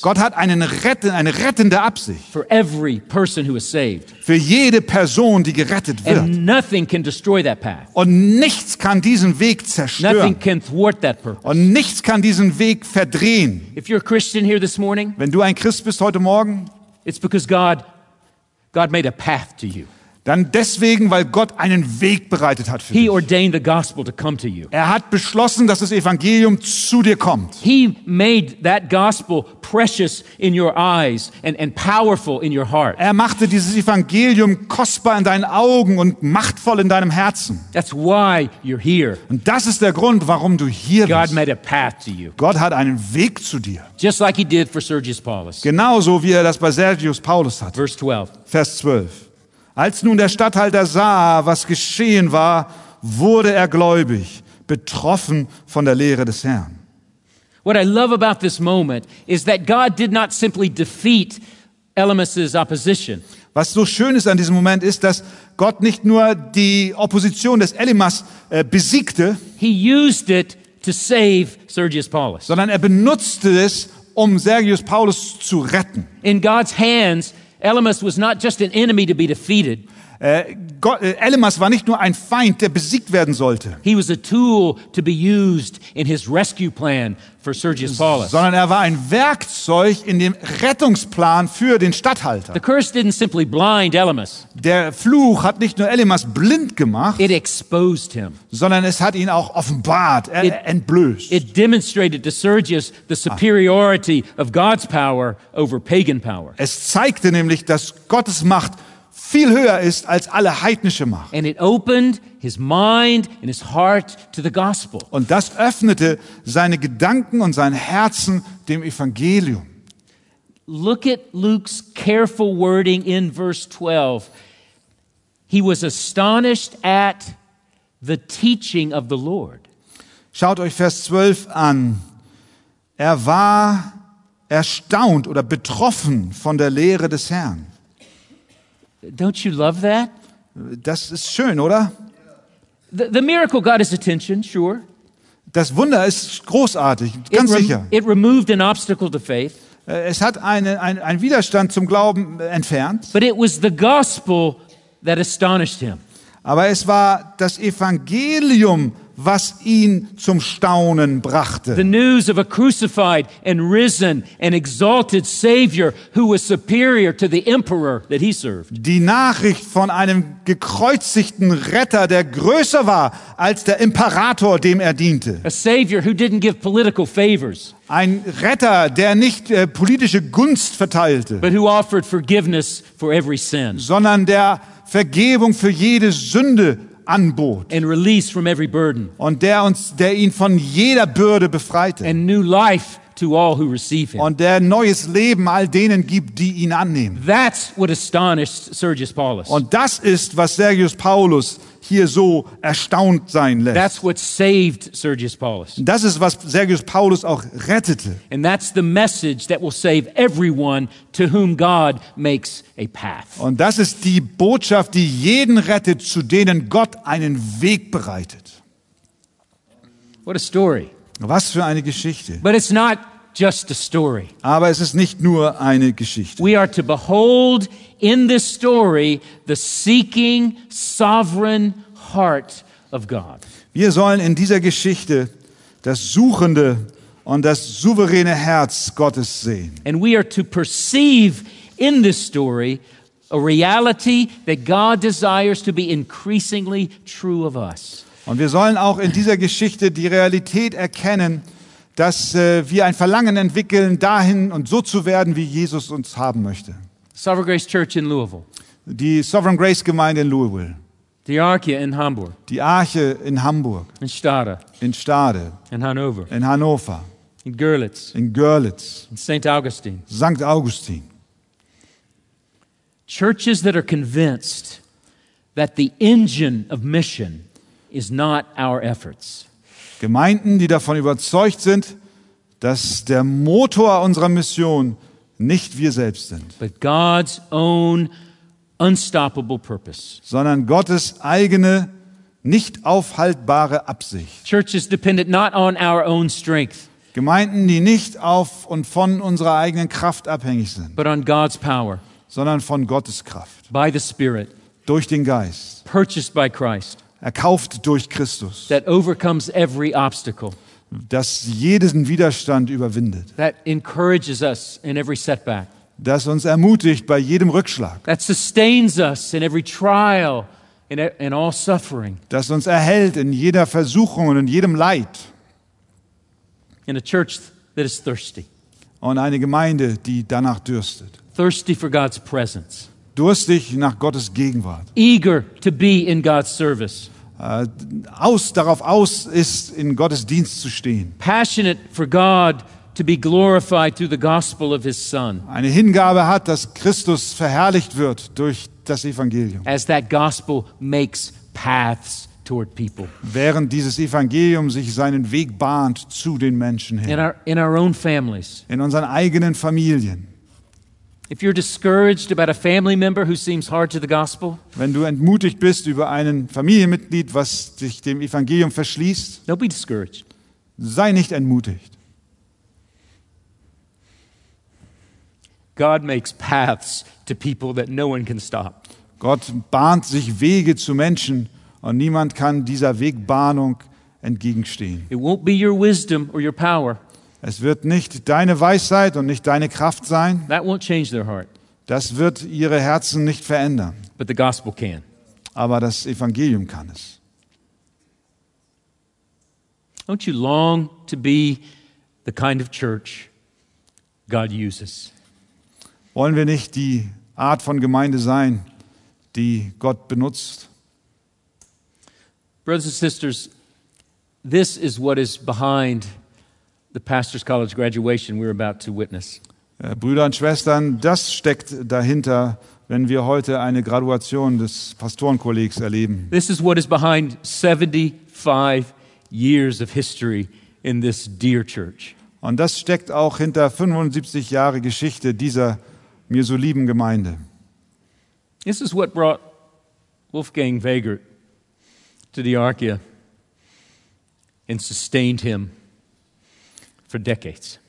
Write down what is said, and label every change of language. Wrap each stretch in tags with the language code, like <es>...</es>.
<de>Gott hat eine rettende Absicht.</de> <en>For every person who is saved.</en> <de>Für jede Person, die gerettet wird.</de> <en>And nothing can destroy that path.</en> <de>Und nichts kann diesen Weg zerstören.</de> <en>Nothing can thwart that purpose.</en> <de>Und nichts kann diesen Weg verdrehen.</de> <en>If you're a Christian here this morning,</en> <de>wenn du ein Christ bist heute Morgen,</de> <en>it's because God made a path to you.</en> <de>Dann deswegen, weil Gott einen Weg bereitet hat für dich.</de> <en>He ordained the gospel to come to you.</en> <de>Er hat beschlossen, dass das Evangelium zu dir kommt.</de> <en>He made that gospel precious in your eyes and powerful in your heart.</en> <de>Er machte dieses Evangelium kostbar in deinen Augen und machtvoll in deinem Herzen.</de> <en>That's why you're here.</en> <de>Und das ist der Grund, warum du hier bist.</de> <en>God made a path to you.</en> <de>Gott hat einen Weg zu dir.</de> <en>Just like he did for Sergius Paulus.</en> <de>Genauso wie er das bei Sergius Paulus hat.</de> <en>Verse 12.</en> <de>Vers 12. Als nun der Statthalter sah, was geschehen war, wurde er gläubig, betroffen von der Lehre des Herrn.</de> <en>What I love about this moment is that God did not simply defeat Elymas's opposition.</en> <de>Was so schön ist an diesem Moment ist, dass Gott nicht nur die Opposition des Elymas besiegte,</de> <en>he used it to save Sergius Paulus.</en> <de>Sondern er benutzte es, um Sergius Paulus zu retten.</de> <en>In God's hands, Elymas was not just an enemy to be defeated.</en> <de>Elymas war nicht nur ein Feind, der besiegt werden sollte.</de> <en>He was a tool to be used in his rescue plan for Sergius Paulus.</en> <de>Sondern er war ein Werkzeug in dem Rettungsplan für den Statthalter.</de> <en>The curse didn't simply blind Elymas.</en> <de>Der Fluch hat nicht nur Elymas blind gemacht.</de> <en>It exposed him.</en> <de>Sondern es hat ihn auch offenbart, entblößt.</de> <en>It demonstrated to Sergius the superiority of God's power over pagan power.</en> <de>Es zeigte nämlich, dass Gottes Macht viel höher ist als alle heidnische Macht.</de> <en>And it opened his mind and his heart to the gospel.</en> <de>Und das öffnete seine Gedanken und sein Herzen dem Evangelium.</de> <en>Look at Luke's careful wording in verse 12. He was astonished at the teaching of the Lord.</en> <de>Schaut euch Vers 12 an. Er war erstaunt oder betroffen von der Lehre des Herrn.</de> <en>Don't you love that?</en> <de>Das ist schön, oder?</de> <en>The miracle got his attention, sure.</en> <de>Das Wunder ist großartig, ganz sicher.</de> <en>It removed an obstacle to faith.</en> <de>Es hat einen Widerstand zum Glauben entfernt.</de> <en>But it was the gospel that astonished him.</en> <de>Aber es war das Evangelium, was ihn zum Staunen brachte.</de> <en>The news of a crucified and risen and exalted Savior who was superior to the emperor that he served.</en> <de>Die Nachricht von einem gekreuzigten Retter, der größer war als der Imperator, dem er diente.</de> <en>A Savior who didn't give political favors.</en> <de>Ein Retter, der nicht politische Gunst verteilte.</de> <en>But who offered forgiveness for every sin.</en> <de>Sondern der Vergebung für jede Sünde anbot.</de> <en>And release from every burden.</en> <de>Und der ihn von jeder Bürde befreite.</de> <en>And new life to all who receive him.</en> <de>Und der neues Leben all denen gibt, die ihn annehmen.</de> <en>That's what astonished Sergius Paulus.</en> <de>Und das ist, was Sergius Paulus hier so erstaunt sein lässt.</de> <en>That's what saved Sergius Paulus.</en> <de>Das ist, was Sergius Paulus auch rettete.</de> <en>And that's the message that will save everyone to whom God makes a path.</en> <de>Und das ist die Botschaft, die jeden rettet, zu denen Gott einen Weg bereitet.</de> <en>What a story.</en> <de>Was für eine Geschichte.</de> <en>But it's not just a story.</en> <de>Aber es ist nicht nur eine Geschichte.</de> <en>We are to behold in this story the seeking sovereign heart of God.</en> <de>Wir sollen in dieser Geschichte das suchende und das souveräne Herz Gottes sehen.</de> <en>And we are to perceive in this story a reality that God desires to be increasingly true of us.</en> <de>Und wir sollen auch in dieser Geschichte die Realität erkennen, dass wir ein Verlangen entwickeln, dahin und so zu werden, wie Jesus uns haben möchte.</de> <en>Sovereign Grace Church in Louisville.</en> <de>Die Sovereign Grace Gemeinde in Louisville. Die Arche in Hamburg. Die Arche in Hamburg.</de> <en>In Stade.</en> <de>In Stade.</de> <en>In Hannover.</en> <de>In Hannover.</de> <en>In Görlitz.</en> <de>In Görlitz.</de> <en>In St. Augustine.</en> <de>St. Augustine.</de> <en>Churches that are convinced that the engine of mission is not our efforts.</en> <de>Gemeinden, die davon überzeugt sind, dass der Motor unserer Mission nicht wir selbst sind,</de> <en>but God's own unstoppable purpose.</en> <de>Sondern Gottes eigene nicht aufhaltbare Absicht.</de> <en>Churches dependent not on our own strength.</en> <de>Gemeinden, die nicht auf und von unserer eigenen Kraft abhängig sind,</de> <en>but on God's power.</en> <de>Sondern von Gottes Kraft.</de> <en>By the Spirit.</en> <de>Durch den Geist.</de> <en>Purchased by Christ.</en> <de>Erkauft durch Christus,</de> <en>that overcomes every obstacle,</en> <de>das jeden Widerstand überwindet,</de> <en>that encourages us in every setback,</en> <de>das uns ermutigt bei jedem Rückschlag,</de> <en>that sustains us in every trial and all suffering,</en> <de>das uns erhält in jeder Versuchung und in jedem Leid,</de> <en>in a church that is thirsty,</en> <de>und eine Gemeinde, die danach dürstet,</de> <en>thirsty for God's presence.</en> <de>Durstig nach Gottes Gegenwart.</de> <en>Eager to be in God's service.</en> <de>Darauf aus ist, in Gottes Dienst zu stehen.</de> <en>Passionate for God to be glorified through the gospel of his son.</en> <de>Eine Hingabe hat, dass Christus verherrlicht wird durch das Evangelium.</de> <en>As that gospel makes paths toward people.</en> <de>Während dieses Evangelium sich seinen Weg bahnt zu den Menschen hin.</de> <en>In our own families.</en> <de>In unseren eigenen Familien.</de> <en>If you're discouraged about a family member who seems hard to the gospel,</en> <de>wenn du entmutigt bist über einen Familienmitglied, was dich dem Evangelium verschließt,</de> <en>don't be discouraged.</en> <de>Sei nicht entmutigt.</de> <en>God makes paths to people that no one can stop.</en> <de>Gott bahnt sich Wege zu Menschen und niemand kann dieser Wegbahnung entgegenstehen.</de> <en>It won't be your wisdom or your power.</en> <de>Es wird nicht deine Weisheit und nicht deine Kraft sein.</de> <en>That won't change their heart.</en> <de>Das wird ihre Herzen nicht verändern.</de> <en>But the gospel can.</en> <de>Aber das Evangelium kann es.</de> <en>Don't you long to be the kind of church God uses?</en> <de>Wollen wir nicht die Art von Gemeinde sein, die Gott benutzt.</de> <en>Brothers and sisters, this is what is behind the pastor's college graduation we're about to witness.</en> <de>Brüder und Schwestern, das steckt dahinter, wenn wir heute eine Graduation des Pastorenkollegs erleben.</de> <en>This is what is behind 75 years of history in this dear church.</en> <de>Und das steckt auch hinter 75 Jahre Geschichte dieser mir so lieben Gemeinde.</de> <en>This is what brought Wolfgang Wegert to the Archaea and sustained him for decades.</en>